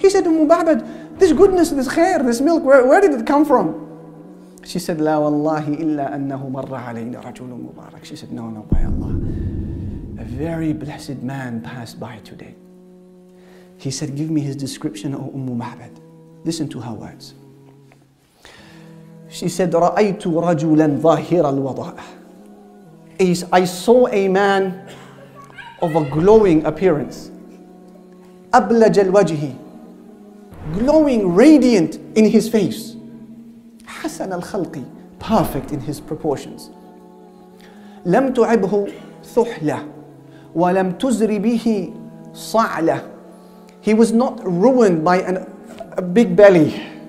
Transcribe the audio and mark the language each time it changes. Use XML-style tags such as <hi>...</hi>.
<en>He said, Abu Ma'bad, this goodness, this khair, this milk, where did it come from? She said,</en> <ar>La wallahi illa annahu marra alayna rajulun mubarak.</ar> <en>She said, No, by Allah. A very blessed man passed by today. He said, give me his description, O Ummu Ma'bad. Listen to her words. She said,</en> <ar>رَأَيْتُ رَجُلًا ظَاهِرَ الْوَضَاءِ.</ar> <en>I saw a man of a glowing appearance.</en> <ar>أَبْلَجَ الْوَجْهِ.</ar> <en>Glowing, radiant in his face.</en> <ar>حَسَنَ الْخَلْقِ.</ar> <en>Perfect in his proportions.</en> <ar>لَمْ تُعِبْهُ ثُحْلَةِ وَلَمْ تُزْرِ بِهِ صَعْلَةِ.</ar> <en>He was not ruined by a big belly.</en>